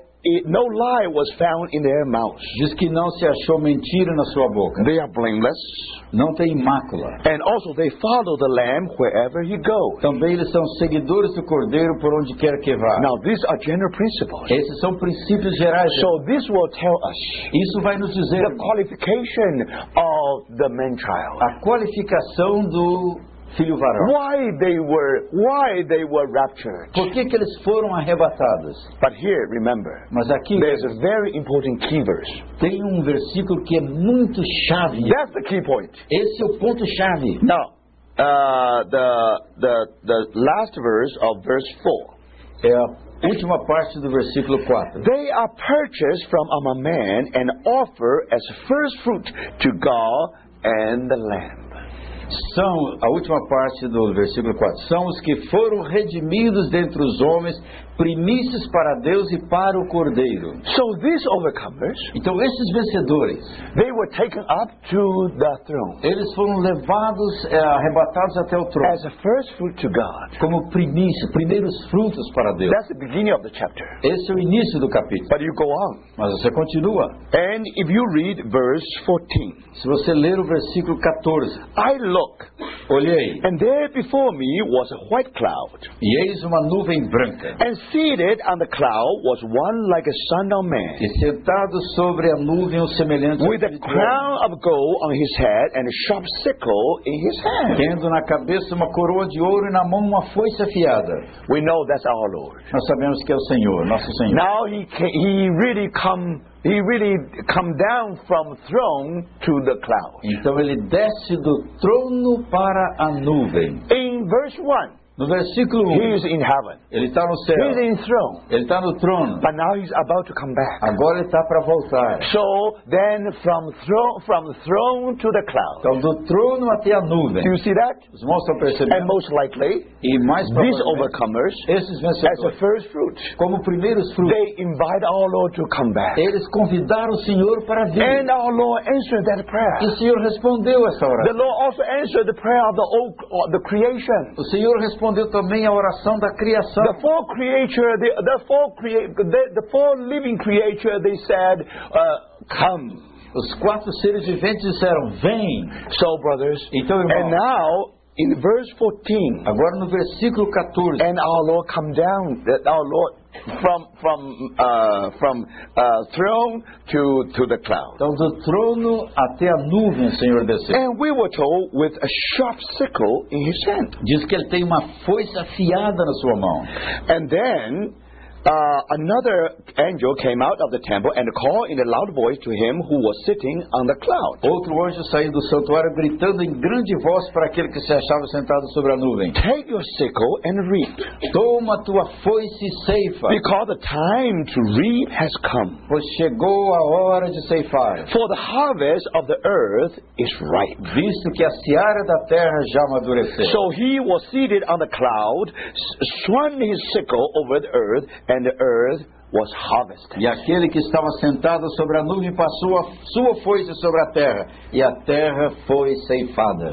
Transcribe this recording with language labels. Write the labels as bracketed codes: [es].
[en] It, no lie was found in their mouth. [pt] Diz que não se achou mentira na sua boca. [en] They are blameless. [pt] Não tem mácula. [en] And also they follow the Lamb wherever he goes. [pt] Também eles são seguidores do Cordeiro por onde quer que vá. [en] Now these are general principles. [pt] Esses são princípios gerais. [en] So this will tell us. [pt] Isso vai nos dizer. [en] The qualification of the man child. [pt] A qualificação do filho varão. [en] Why they were raptured? [pt] Por que que eles foram arrebatados? [en] But here, remember, [pt] mas aqui, [en] there's a very important key verse. [pt] Tem versículo que é muito chave. [en] That's the key point. [pt] Esse é o ponto chave. [en] Now, the last verse of verse 4. [pt] É a última parte do versículo 4. [en] They are purchased from among men and offer as first fruit to God and the Lamb. [pt] São, a última parte do versículo 4, são os que foram redimidos dentre os homens, primícias para Deus e para o Cordeiro. [en] So these overcomers, [pt] então esses vencedores, [en] they were taken up to the throne. [pt] Eles foram levados, arrebatados até o trono. [en] As a first fruit to God. [pt] Como primícia, primeiros frutos para Deus. [en] That's the beginning of the chapter. [pt] Esse é o início do capítulo. [en] But you go on. [pt] Mas você continua. [en] And if you read verse 14, [pt] se você ler o versículo 14, [en] I look, [pt] olhei, [en] and there before me was a white cloud. [pt] E eis uma nuvem branca. [en] And seated on the cloud was one like a son of man. [pt] E sentado sobre a nuvem, semelhante [en] with a crown of gold on his head and a sharp sickle in his hand. [pt] Tendo na cabeça uma coroa de ouro e na mão uma foice afiada. [en] We know that's our Lord. [pt] Nós sabemos que é o Senhor, nosso Senhor. [en] Now he really come down from throne to the cloud. [pt] Então ele desce do trono para a nuvem. [en] In verse 1. [pt] No versículo 1, [en] he is in heaven. [pt] Ele está no céu. [en] He is in throne. [pt] Ele está no trono. [en] But now he's about to come back. [pt] Agora ele está para voltar. [en] So then from throne to the cloud. [pt] Então do trono até a nuvem. [en] Do you see that? [pt] Os irmãos estão percebendo? [en] And most likely, [pt] e mais [en] these overcomers, [pt] esses vencedores, [en] as the first fruit, [pt] como primeiros frutos, [en] they invite our Lord to come back. [pt] Eles convidaram o Senhor para vir. [en] And our Lord answered that prayer. [pt] E o Senhor respondeu essa oração. [en] The Lord also answered the prayer of the creation. [pt] O Senhor respondeu também a oração da criação. [en] The four creatures, the four living creatures, they said, come. [pt] Os quatro seres viventes disseram, vem. [en] So, brothers, [pt] então, irmão, [en] and now, in verse 14, [pt] agora no versículo 14, [en] and our Lord come down, that our Lord from throne to the cloud. [pt] Então do trono até a nuvem, Senhor desceu. [en] And we were told with a sharp sickle in his hand. [pt] Diz que ele tem uma foice afiada na sua mão. [en] And then another angel came out of the temple and called in a loud voice to him who was sitting on the cloud. [pt] Outro anjo saiu do santuário gritando em grande voz para aquele que se achava sentado sobre a nuvem. [en] Take your sickle and reap. [pt] Toma tua foice e ceifa. [en] Because the time to reap has come. [pt] Pois chegou a hora de ceifar. [en] For the harvest of the earth is ripe. [pt] Visto que a seara da terra já amadureceu. [en] So he was seated on the cloud, swung his sickle over the earth, and the earth was harvested. [pt] E aquele que estava sentado sobre a nuvem passou a sua foice sobre a terra, e a terra foi ceifada.